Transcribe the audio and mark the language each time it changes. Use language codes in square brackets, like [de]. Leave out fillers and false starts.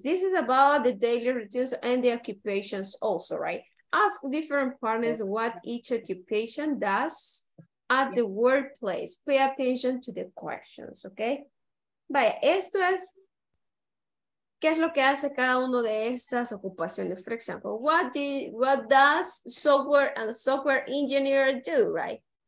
[en] This is about the daily routines and the occupations also, right? Ask different partners what each occupation does at the workplace. Pay attention to the questions, ok? [es] Vaya, esto es ¿qué es lo que hace cada uno de estas ocupaciones? [en] For example, what does software engineer do, right?